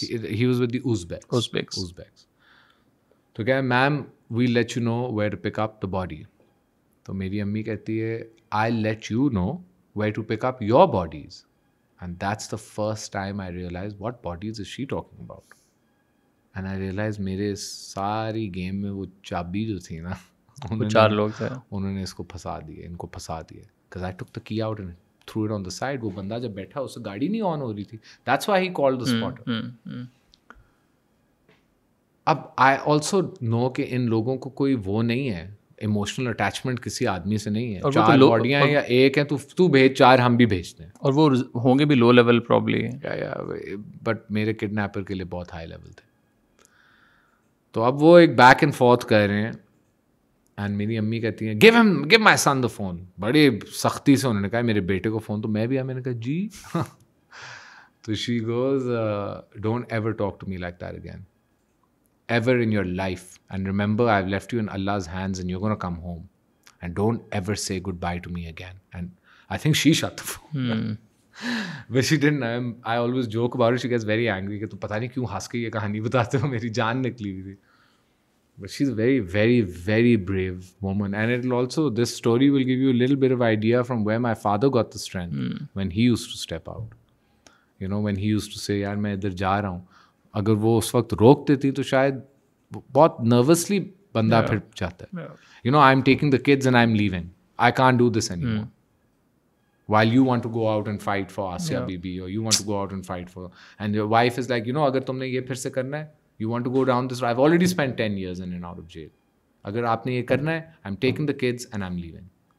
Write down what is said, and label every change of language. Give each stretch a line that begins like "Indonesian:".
English: He was with the Uzbeks. Uzbeks. So he said, ma'am, we'll let you know where to pick up the body. So
Hindi: meri ammi kehti hai,
English: I'll let you know where to pick up your bodies. And that's the first time I realized, what bodies is she talking about? And I realized
Hindi: मेरे सारी game में वो चाबी जो थी ना, उन्होंने चार लोग थे, उन्होंने इनको फंसा दिए.
English: Because I took the key out and threw it on the side.
Hindi: वो बंदा जब बैठा, उसे गाड़ी नहीं ऑन हो रही थी.
English: That's why he called the spotter.
Hindi: अब
English: I also know
Hindi: कि इन लोगों को कोई वो नहीं है, इमोशनल अटैचमेंट किसी आदमी से नहीं है. चार बॉडियां हैं या एक है, तू भेज चार, हम भी भेजते हैं. और वो होंगे भी लो लेवल प्रॉब्लम. बट मेरे किडनेपर के लिए बहुत हाई लेवल थे. तो अब वो एक बैक एंड फोर्थ कर रहे हैं एंड मेरी अम्मी कहती हैं,
English: Give my son the phone.
Hindi: बड़े सख्ती से उन्होंने कहा, मेरे बेटे को फोन. तो मैं भी आया, मैंने कहा जी.
English: तो she goes, don't ever talk to me like that again ever in your life and remember I have left you in Allah's hands and you are gonna come home and don't ever say good bye to me again. And I think she shut the phone. But she didn't. I always joke about it. She gets very angry.
Hindi: कि तू पता नहीं क्यों हंस के ये कहानी बताते हो, मेरी जान निकली हुई थी.
English: But she's a very, very, very brave woman. And it'll also, this story will give you a little bit of idea from where my father got the strength when he used to step out. You know, when he used to say,
Hindi: यार मैं इधर जा रहा हूँ. अगर वो उस वक्त रोक देती तो शायद बहुत nervously बंदा फिर जाता है.
English: You know, I'm taking the kids and I'm leaving. I can't do this anymore. While you want to go out and fight for Asya Bibi, or you want to go out and fight for, and your wife is like, you know,
Hindi: agar tumne ye phir se karna hai,
English: you want to go down this road. I've already spent 10 years in and out of jail.
Hindi: Agar aapne ye karna hai,
English: I'm taking the kids and I'm leaving.